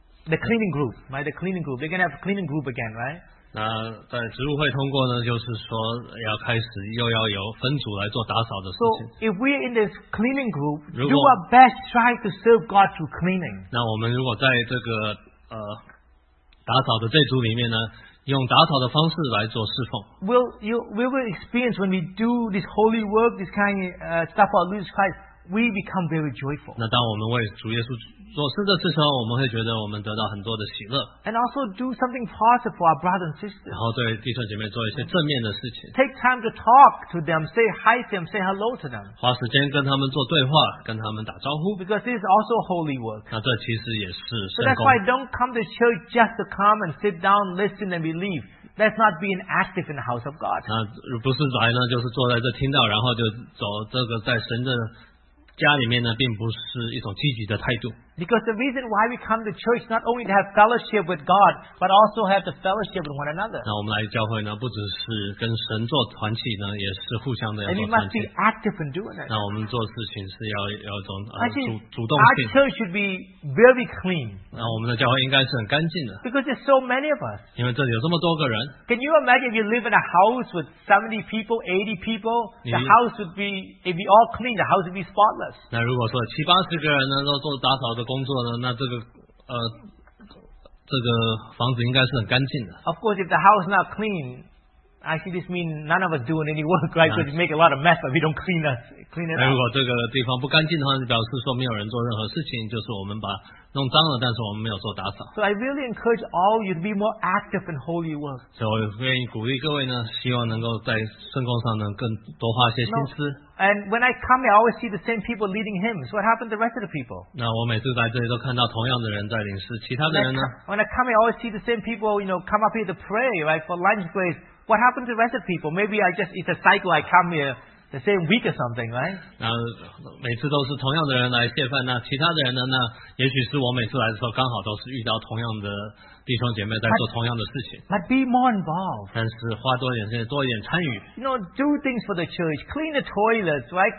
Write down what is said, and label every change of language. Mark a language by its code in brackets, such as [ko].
[en] The cleaning group, right? The cleaning group. They're gonna have a cleaning group again, right? [zh] 那在职务会通过呢，就是说要开始又要有分组来做打扫的事情。 [en] So if we're in this cleaning group, do our best try to serve God through cleaning. [zh] 那我们如果在这个打扫的这组里面呢，用打扫的方式来做侍奉。 [en] We will experience when we do this holy work, this kind of stuff for Jesus Christ. We become very joyful. [zh] 那当我们为主耶稣做事的时候，我们会觉得我们得到很多的喜乐。 [en] And also do something positive for our brothers and sisters. [zh] 然后对弟兄姐妹做一些正面的事情。 [en] Take time to talk to them, say hi to them, say hello to them. [zh] 花时间跟他们做对话，跟他们打招呼。 [en] Because this is also holy work. [zh] 那这其实也是圣 [en] 工。So that's why don't come to church just to come and sit down, listen, and believe. Let's not be inactive in the house of God. [zh] 那不是来呢，就是坐在这听到，然后就走。这个在神的家里面呢，并不是一种积极的态度。 [en] Because the reason why we come to church not only to have fellowship with God, but also have the fellowship with one another. [zh] 那我们来教会呢，不只是跟神做团契呢，也是互相的要做 [en] 团契。And we must be active in doing it. [zh] 那我们做事情是要种主动性。 [en] Our church should be very clean. [zh] 那我们的教会应该是很干净的。 [en] Because there's so many of us. [zh] 因为这里有这么多个人。 [en] Can you imagine if you live in a house with 70 people, 80 people? The house would be if we all clean, the house would be spotless. us. [zh] 那如果说七八十个人呢都做打扫的工作呢，那这个这个房子应该是很干净的。 [en] Of course, if the house is not clean, I see this mean none of us doing any work, right? Because we make a lot of mess, but we don't clean it up. [zh] 如果这个地方不干净的话，就表示说没有人做任何事情，就是我们把弄脏了，但是我们没有做打扫。 [en] So I really encourage all of you to be more active in holy work. [zh] 所以我愿意鼓励各位呢，希望能够在圣工上能更多花些心思。 [en] And when I come, I always see the same people leading hymns. What happened to the rest of the people? [zh] 那我每次来这里都看到同样的人在领诗，其他的人呢 [en] ？When I come, I always see the same people, you know, come up here to pray, right, for lunch grace. What happened to the rest of the people? Maybe I just it's a cycle. I come here the same week or something, right? [zh] 那每次都是同样的人来谢饭，那其他的人呢？那也许是我每次来的时候刚好都是遇到同样的弟兄姐妹在做同样的事情。 [en] But be more involved. [zh] 但是花多一点时间，多一点参与。 [en] You know, do things for the church. Clean the toilets, right?